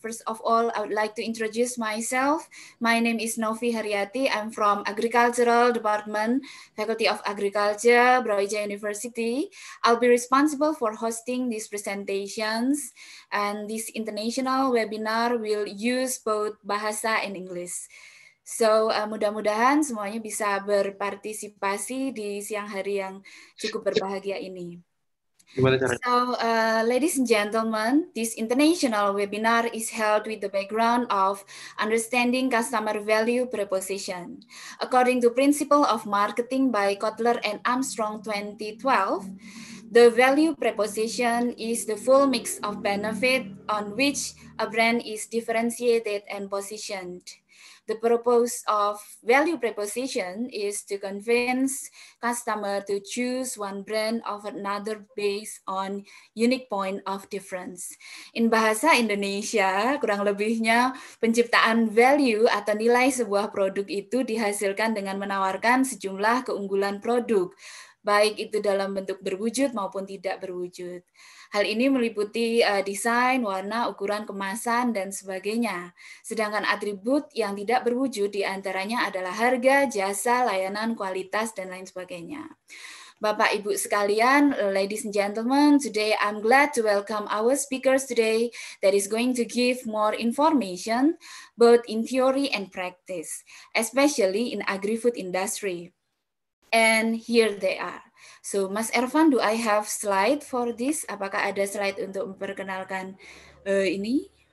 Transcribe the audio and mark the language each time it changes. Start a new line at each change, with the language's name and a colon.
English: First of all, I would like to introduce myself. My name is Novi Haryati. I'm from Agricultural Department, Faculty of Agriculture, Brawijaya University. I'll be responsible for hosting these presentations, and this international webinar will use both Bahasa and English.
Indonesian: So, mudah-mudahan semuanya bisa berpartisipasi di siang hari yang cukup berbahagia ini.
English: So, ladies and gentlemen, this international webinar is held with the background of understanding customer value proposition. According to Principle of Marketing by Kotler and Armstrong 2012, the value proposition is the full mix of benefit on which a brand is differentiated and positioned. The purpose of value proposition is to convince customer to choose one brand over another based on unique point of difference. In bahasa Indonesia,
Indonesian: kurang lebihnya penciptaan value atau nilai sebuah produk itu dihasilkan dengan menawarkan sejumlah keunggulan produk, baik itu dalam bentuk berwujud maupun tidak berwujud. Hal ini meliputi desain, warna, ukuran, kemasan, dan sebagainya. Sedangkan atribut yang tidak berwujud diantaranya adalah harga, jasa, layanan, kualitas, dan lain sebagainya. Bapak, Ibu sekalian,
English: ladies and gentlemen, today I'm glad to welcome our speakers today that is going to give more information both in theory and practice, especially in agri-food industry. And here they are. So, Mas Ervan, do I have slide for this?
Indonesian: Apakah ada slide untuk memperkenalkan ini?